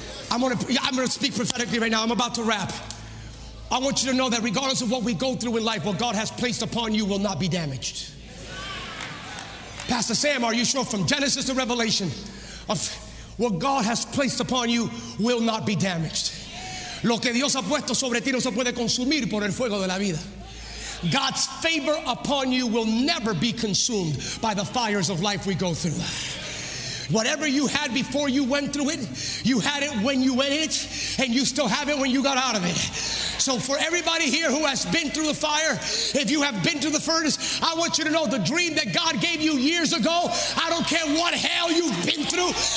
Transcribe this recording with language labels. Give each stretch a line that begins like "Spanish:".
English: I'm gonna speak prophetically right now. I'm about to wrap. I want you to know that regardless of what we go through in life, what God has placed upon you will not be damaged. Pastor Sam, are you sure from Genesis to Revelation of what God has placed upon you will not be damaged?
Spanish: Lo que Dios ha puesto sobre ti no se puede consumir por el fuego de la vida.
English: God's favor upon you will never be consumed by the fires of life we go through. Whatever you had before you went through it, you had it when you went in it, and you still have it when you got out of it. So for everybody here who has been through the fire, if you have been through the furnace, I want you to know the dream that God gave you years ago, I don't care what hell you've been through,